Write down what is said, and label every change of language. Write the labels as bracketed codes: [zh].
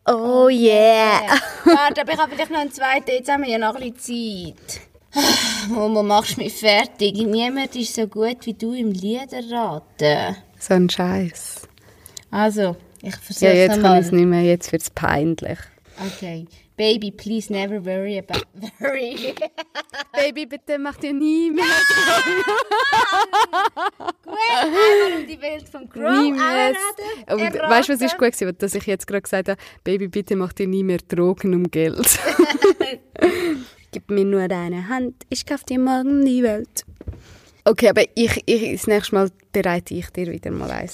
[en] Oh yeah! [de] Warte, aber ich habe vielleicht noch einen zweiten. Jetzt haben wir ja noch ein bisschen Zeit. Momo, machst du mich fertig? Niemand ist so gut wie du im Liederraten. So ein Scheiß. Also, ich versuche es nochmal. Ja, jetzt kann ich es nicht mehr. Jetzt wird es peinlich. Okay. [en] Baby, please never worry about worry. [de] Baby, bitte mach dir nie mehr Sorgen. Gut, einmal um die Welt vom Crow anreden. Weißt du, was ist gut gewesen, dass ich jetzt gerade gesagt habe, Baby, bitte mach dir nie mehr Drogen um Geld. Gib mir nur deine Hand, ich kauf dir morgen die Welt. Okay, aber ich das nächste Mal bereite ich dir wieder mal eins.